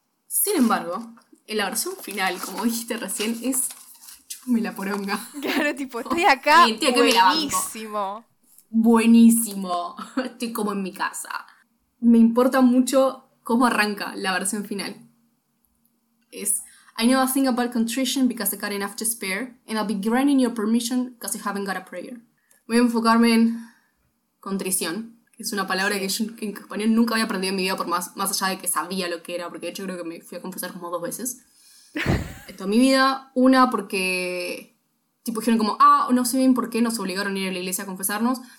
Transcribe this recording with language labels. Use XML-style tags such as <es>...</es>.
<es>Sin embargo, en la versión final, como dijiste recién, es chúpame la poronga. Claro, tipo, estoy acá. Buenísimo. Buenísimo. Estoy como en mi casa. Me importa mucho cómo arranca la versión final.</es> <en>Es, I know a thing about contrition because I got enough to spare, and I'll be granting your permission because you haven't got a prayer.</en> <es>Voy a enfocarme en contrición, que es una palabra que en español nunca había aprendido en mi vida, por más allá de que sabía lo que era, porque de hecho creo que me fui a confesar como dos veces. esto, mi vida. Una, porque tipo dijeron como, no sé bien por qué nos obligaron a ir a la iglesia a confesarnos.</es>